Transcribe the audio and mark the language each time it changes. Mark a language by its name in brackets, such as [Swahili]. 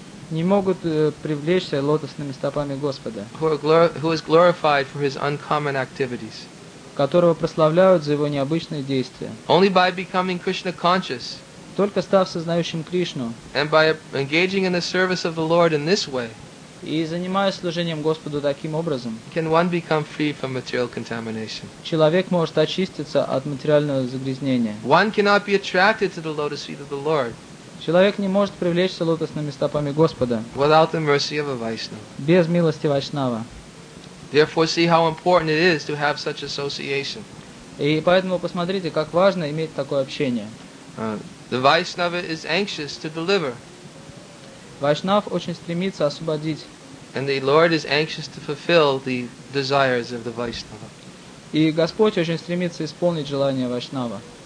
[Russian] Не могут привлечься лотосными стопами Господа, [English] who is glorified for his uncommon activities, [Russian] которого прославляют за его необычные действия. [English] Only by becoming Krishna conscious, [Russian] только став сознающим Кришну, [English] and by engaging in the service of the Lord in this way, [Russian] и занимаясь служением Господу таким образом, [English] can one become free from material contamination. [Russian] Человек может очиститься от материального загрязнения. [English] One cannot be attracted to the lotus feet of the Lord. [Russian] Человек не может привлечься лотосными стопами Господа [English] without the mercy of a Vaishnava. [Russian] Без милости Вайшнава. [English] Therefore, see how important it is to have such association. [Russian] И поэтому посмотрите, как важно иметь такое общение. [English] The Vaishnava is anxious to deliver. [Russian] Вайшнав очень стремится освободить. [English] And the Lord is anxious to fulfill the desires of the Vaishnava. [Russian] И Господь очень стремится исполнить желание Вайшнава.